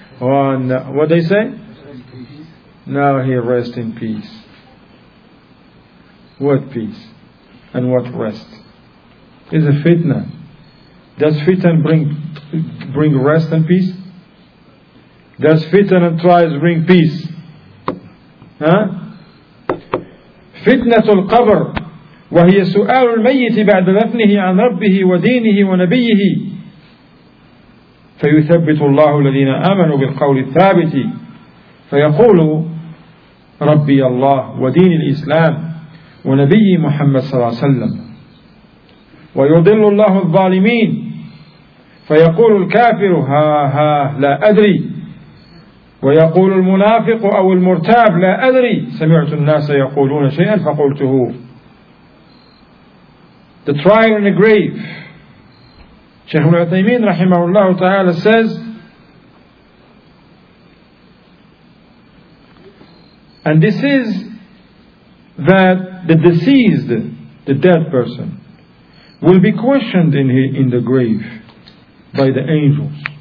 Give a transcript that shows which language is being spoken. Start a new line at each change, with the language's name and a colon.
English: Oh, no. What they say? Now he rests in peace. What peace? And what rest? It's a fitna. Does fitna bring rest and peace? Does fitna and trials bring peace? Huh?
Arabic: فتنة القبر وهي سؤال الميت بعد دفنه عن ربه ودينه ونبيه فيثبت الله الذين آمنوا بالقول الثابت فيقول ربي الله ودين الإسلام ونبي محمد صلى الله عليه وسلم ويضل الله الظالمين فيقول الكافر ها ها لا أدري ويقول المنافق أو المرتاب لا أدري سمعت الناس يقولون شيئا فقلته.
English: The trial in the grave. Sheikh Al-Uthaymeen rahimahullah ta'ala says, and this is that the deceased, the dead person, will be questioned in the grave by the angels.